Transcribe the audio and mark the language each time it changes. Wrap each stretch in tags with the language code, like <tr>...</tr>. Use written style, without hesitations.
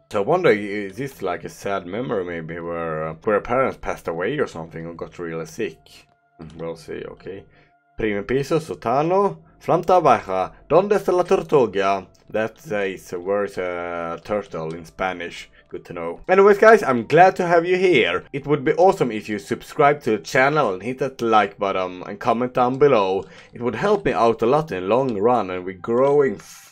<en>So I wonder, is this like a sad memory maybe where parents passed away or something or got really sick? We'll see, okay.</en> <es>Primo piso, sotano, planta baja, donde está la tortuga?</es> <en>That's the word turtle in Spanish. Good to know. Anyways, guys, I'm glad to have you here. It would be awesome if you subscribe to the channel and hit that like button and comment down below. It would help me out a lot in the long run and we're growing fast.</en>